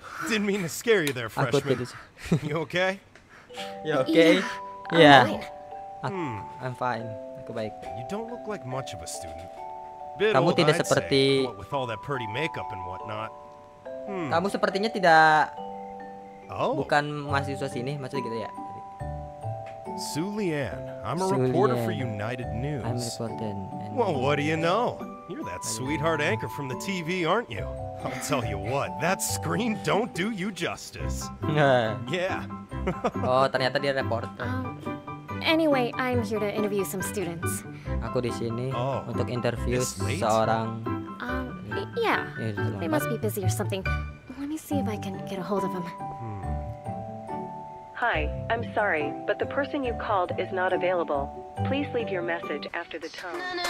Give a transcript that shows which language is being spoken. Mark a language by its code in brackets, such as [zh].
[en] Didn't mean to scare you there, freshman. You okay? You okay? Yeah. I'm fine. [id] Aku baik. [en] You don't look like much of a student. [id] Kamu tidak seperti. [en] With all that pretty makeup and whatnot. [id] Kamu sepertinya tidak. Bukan mahasiswa sini, maksudnya gitu ya. [en] Sulian, I'm a reporter for United News. I'm a reporter. Well, what do you know? You're that sweetheart anchor from the TV, aren't you? I'll tell you what, that screen don't do you justice. Yeah. [id] Oh, ternyata dia reporter. [en] Anyway, I'm here to interview some students. [id] Aku di sini untuk interview seorang. [en] Yeah. They must be busy or something. Let me see if I can get a hold of them. Hi, I'm sorry, but the person you called is not available. Please leave your message after the tone.